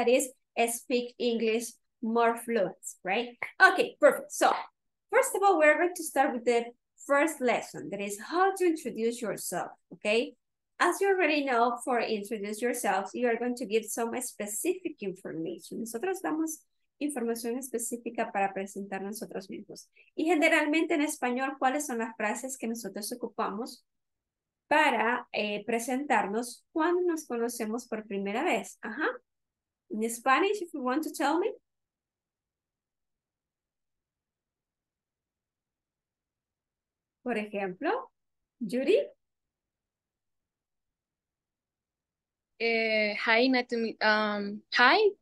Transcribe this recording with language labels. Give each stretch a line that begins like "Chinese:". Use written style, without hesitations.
English: That is speak English more fluent, right? Okay, perfect. So first of all, we're going to start with the first lesson, that is how to introduce yourself, okay? As you already know, for introduce yourselves, you are going to give some specific information.
Spanish: Nosotros damos información específica para presentar nosotros mismos. Y generalmente en español, ¿cuáles son las frases que nosotros ocupamos para presentarnos cuando nos conocemos por primera vez? Ajá.
English: In Spanish, if you want to tell me.
Spanish: Por ejemplo, Yuri.
English: Hi, not to meet. Hi.